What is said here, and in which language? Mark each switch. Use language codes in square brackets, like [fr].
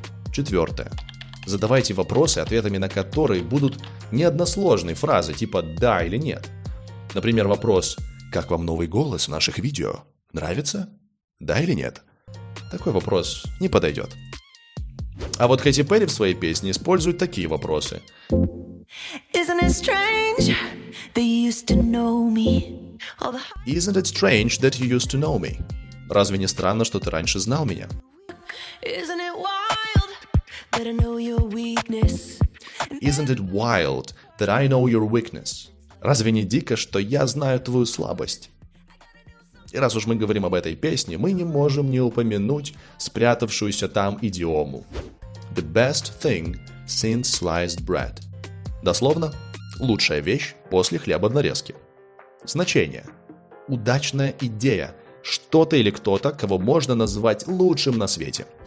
[ru] Четвертое. Задавайте вопросы, ответами на которые будут не односложные фразы, типа «да» или «нет». Например, вопрос «Как вам новый голос в наших видео? Нравится? Да или нет?» Такой вопрос не подойдет. А вот Кэти Перри в своей песне использует такие вопросы. [en] Isn't it strange that you used to know me? Isn't it strange that you used to know me? [ru] Разве не странно, что ты раньше знал меня? [en] Isn't it wild that I know your weakness? Isn't it wild that I know your weakness? [ru] Разве не дико, что я знаю твою слабость? И раз уж мы говорим об этой песне, мы не можем не упомянуть спрятавшуюся там идиому. [en] The best thing since sliced bread. [ru] Дословно, лучшая вещь после хлеба в нарезке. Значение. Удачная идея. Что-то или кто-то, кого можно назвать лучшим на свете.